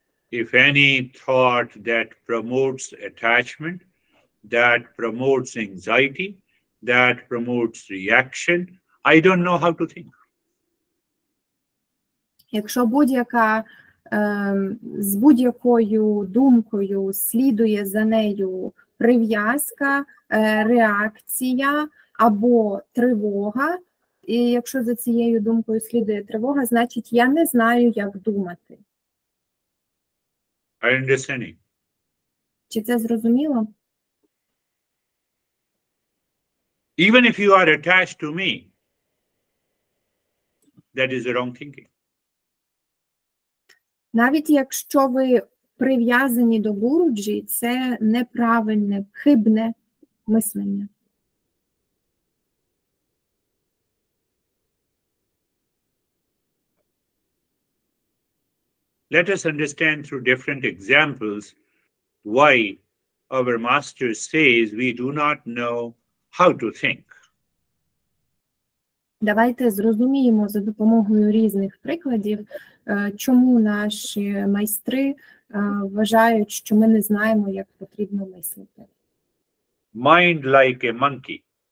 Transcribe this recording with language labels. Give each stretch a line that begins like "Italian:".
English: If any thought that promotes attachment, that promotes anxiety, that promotes reaction, I don't know how to think.
Ukrainian: Якщо будь-яка з будь-якою думкою слідує за нею прив'язка, реакція або тривога, і якщо за цією думкою слідує тривога, значить я не знаю, як думати.
English: Are you understanding?
Ukrainian: Чи це зрозуміло?
English: Even if you are attached to me, that is the wrong thinking.
Ukrainian: Навіть якщо ви прив'язані до Гуруджі, це неправильне, хибне мислення.
English: Let us understand through different examples why our master says we do not know how to think.
Ukrainian: Давайте зрозуміємо за допомогою різних прикладів, чому наші майстри вважають, що ми не знаємо, як потрібно мислити.
English: Mind like a monkey.